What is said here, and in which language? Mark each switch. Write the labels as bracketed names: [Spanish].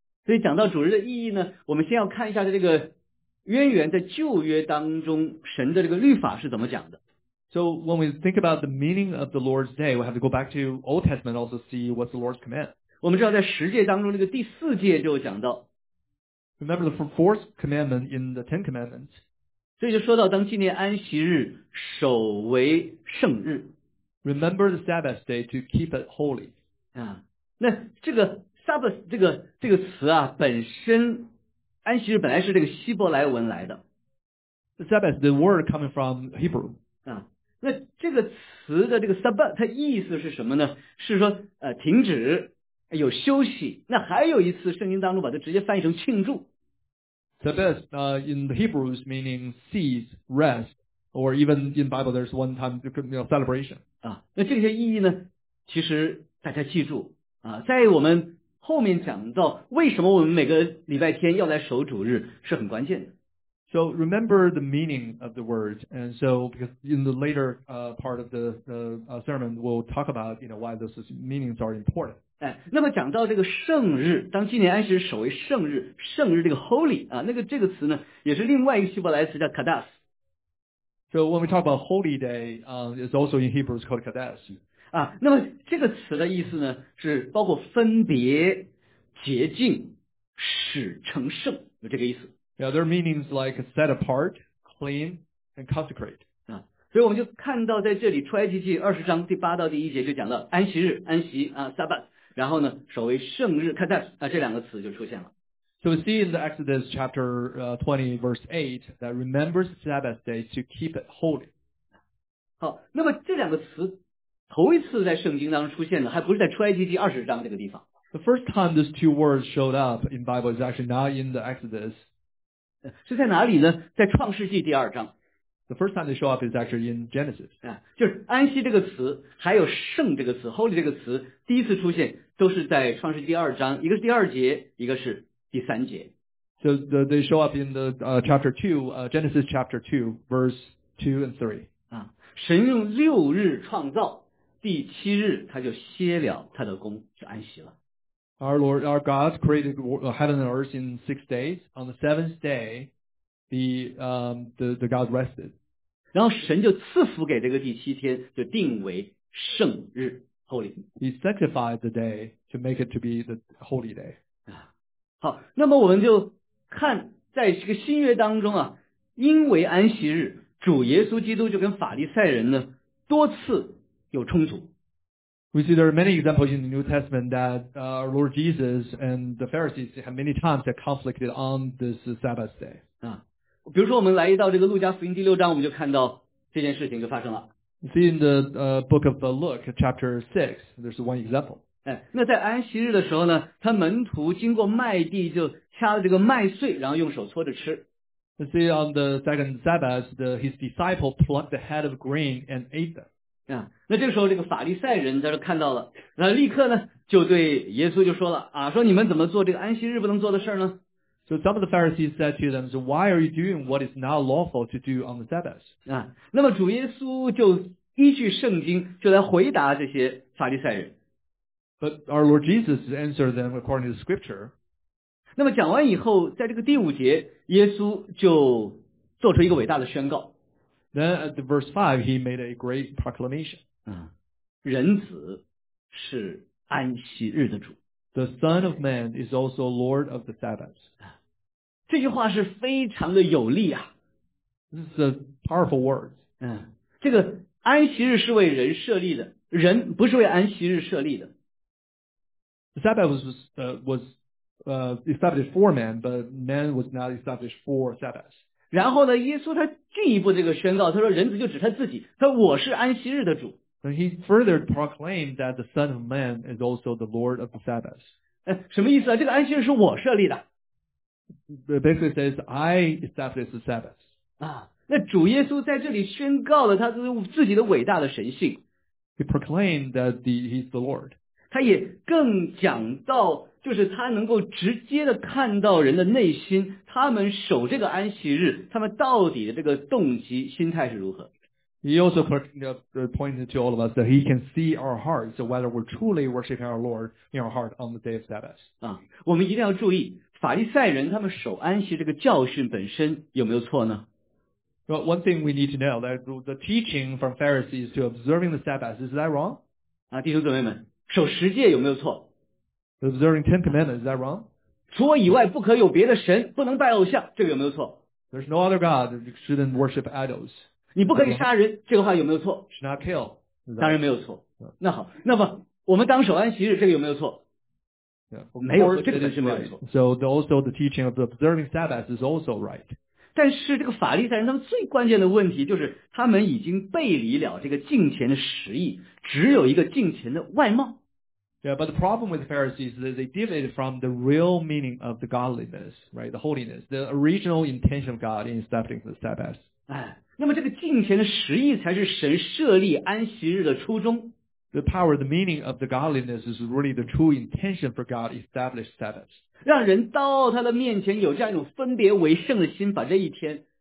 [Chinese] 所以讲到主日的意义呢，我们先要看一下这个渊源，在旧约当中神的这个律法是怎么讲的。 [English] So when we think about the meaning of the Lord's Day, we have to go back to Old Testament also see what's the Lord's command. [Chinese] 我们知道在十诫当中那个第四诫就讲到。 [English] Remember the fourth commandment in the Ten Commandments. [Chinese] 所以就说到当纪念安息日，守为圣日。 [English] Remember the Sabbath day to keep it holy. [Chinese] 那这个 Sabbath 这个词啊，本身安息日本来是这个希伯来文来的。 [English] The Sabbath, the word coming from Hebrew. [Chinese] 那这个词的这个 Sabbath 它意思是什么呢？是说停止，有休息。那还有一次，圣经当中把它直接翻译成庆祝。 [English] Sabbath, in the Hebrews, meaning cease, rest, or even in Bible, there's one time you know, celebration. [Chinese] 那这些意义呢？其实大家记住啊，在我们后面讲到为什么我们每个礼拜天要来守主日是很关键的。 [English] So remember the meaning of the word, and so because in the later part of the sermon we'll talk about you know why those meanings are important. [Chinese] 那么讲到这个圣日，当纪念安息日守为圣日，圣日这个 holy 啊，那个这个词呢，也是另外一个希伯来词叫 kadash。 [English] So when we talk about holy day, it's also in Hebrews called kadash. [Chinese] 那么这个词的意思呢，是包括分别、洁净、使成圣，有这个意思。 [English] Yeah, there are meanings like set apart, clean, and consecrate. [Chinese] 所以我们就看到在这里出埃及记二十章第八到第一节就讲了安息日、安息啊 ，Sabbath， 然后呢，守为圣日 ，Kadash 这两个词就出现了。 [English] So we see in the Exodus chapter 20 verse 8 that remembers Sabbath day to keep it holy. [Chinese] 好，那么这两个词头一次在圣经当中出现了，还不是在出埃及记二十章这个地方。 [English] The first time these two words showed up in Bible is actually not in the Exodus. [Chinese] 是在哪里呢？在创世纪第二章。 [English] The first time they show up is actually in Genesis. [Chinese] 就是安息这个词，还有圣这个词 ，holy 这个词，第一次出现都是在创世纪第二章，一个是第二节，一个是第三节。 [English] So they show up in the chapter 2, Genesis chapter 2, verse 2 and 3. [Chinese] 神用六日创造。第七日他就歇了他的工，就安息了。 [English] Our Lord, our God created heaven and earth in six days. On the seventh day, the God rested. [Chinese] 然后神就赐福给这个第七天，就定为圣日 ，holy. [English] He sanctified the day to make it to be the holy day. [Chinese] 好，那么我们就看在这个新约当中啊，因为安息日，主耶稣基督就跟法利赛人呢多次。有冲突。 [English] We see there are many examples in the New Testament that our Lord Jesus and the Pharisees have many times that conflicted on this Sabbath day. [Chinese] 比如说我们来到这个路加福音第六章，我们就看到这件事情就发生了。 [English] See in the book of Luke, chapter 6, there's one example. [Chinese] 那在安息日的时候呢，他门徒经过麦地就掐了这个麦穗，然后用手搓着吃。 [English] See on the second Sabbath, his disciple plucked the head of grain and ate them. [Chinese] 那这个时候这个法利赛人在这看到了，那立刻呢就对耶稣就说了啊，说你们怎么做这个安息日不能做的事呢？ [English] So some of the Pharisees said to them, so why are you doing what is not lawful to do on the Sabbath? [Chinese] 那么主耶稣就依据圣经就来回答这些法利赛人。 [English] But our Lord Jesus answered them according to the scripture. [Chinese] 那么讲完以后，在这个第五节，耶稣就做出一个伟大的宣告。 [English] Then at the verse 5, he made a great proclamation. [Chinese] 人子是安息日的主。 [English] The son of man is also Lord of the Sabbath. [Chinese] 这句话是非常的有力啊。 [English] This is a powerful word. [Chinese] 这个安息日是为人设立的，人不是为安息日设立的。 [English] The Sabbath was established for man, but man was not established for Sabbath. [Chinese] 然后呢，耶稣他进一步这个宣告，他说人子就指他自己，他说我是安息日的主。 [English] And he further proclaimed that the Son of Man is also the Lord of the Sabbath. [Chinese] 什么意思啊？这个安息日是我设立的。 [English] basically says, I establish the Sabbath. [Chinese] 啊, 那主耶稣在这里宣告了他自己的伟大的神性。 [English] He proclaimed that he's the Lord. [Chinese] 他也更讲到就是他能够直接的看到人的内心，他们守这个安息日，他们到底的这个动机、心态是如何。 [English] He also pointed to all of us that he can see our hearts, so whether we're truly worshiping our Lord in our heart on the day of Sabbath. [Chinese] 啊，我们一定要注意，法利赛人他们守安息这个教训本身有没有错呢？ [English] Well, one thing we need to know, that the teaching from Pharisees to observing the Sabbath, is that wrong? [Chinese] 啊，弟兄姊妹们，守十诫有没有错？ [English] Observing Ten Commandments, is that wrong? [Chinese] 除我以外不可有别的神，不能拜偶像，这个有没有错？ [English] There's no other God that shouldn't worship idols. [Chinese] 你不可以杀人、okay. 这个话有没有错 [English] should not kill. [Chinese] 当然没有错、yeah. 那好那么我们当守安息日这个有没有错、 [English] yeah. [Chinese] 没有这个是没有错、 [English] right. So also the teaching of the observing Sabbath is also right. [Chinese] 但是这个法利赛人他们最关键的问题就是他们已经背离了这个敬虔的实意只有一个敬虔的外貌 [English] Yeah, but the problem with the Pharisees is that they deviated from the real meaning of the godliness, right? The holiness, the original intention of God in establishing the Sabbath. [Chinese] 哎那么这个敬虔的实意才是神设立安息日的初衷。 [English] The power, the meaning of the godliness is really the true intention for God established Sabbath. [Chinese] 让人到他的面前有这样一种分别为圣的心，把这一天。